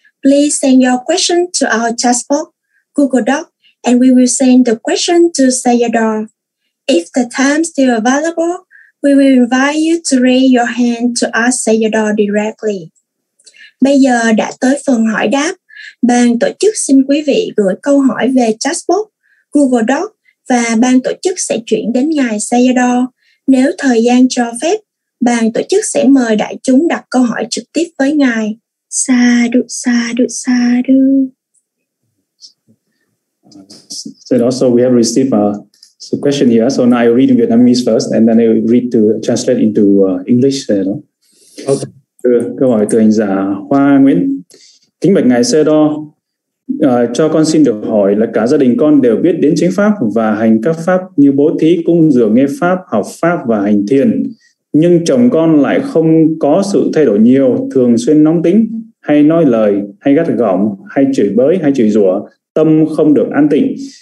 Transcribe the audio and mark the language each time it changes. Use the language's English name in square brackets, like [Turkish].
[English] Please send your question to our chat box, Google Doc, and we will send the question to Sayadaw. If the time is still available, we will invite you to raise your hand to ask Sayadaw directly. [Vietnamese] Bây giờ đã tới phần hỏi đáp. Ban tổ chức xin quý vị gửi câu hỏi về chatbot, Google Doc và ban tổ chức sẽ chuyển đến ngài Sayadaw. Nếu thời gian cho phép, ban tổ chức sẽ mời đại chúng đặt câu hỏi trực tiếp với ngài. [Pali] Sadhu, sadhu, sadhu. [English] Sayadaw, so we have received the question here, so now I read in Vietnamese first and then I read to translate into English. Okay. [Vietnamese] Câu hỏi từ hành giả Hoa Nguyễn. Kính bạch ngài Sê Đo, cho con xin được hỏi là cả gia đình con đều biết đến chính pháp và hành các pháp như bố thí, cung dường, nghe pháp, học pháp và hành thiền. Nhưng chồng con lại không có sự thay đổi nhiều, thường xuyên nóng tính, hay nói lời, hay gắt gỏng, hay chửi bới, hay chửi rủa, tâm không được an tịnh.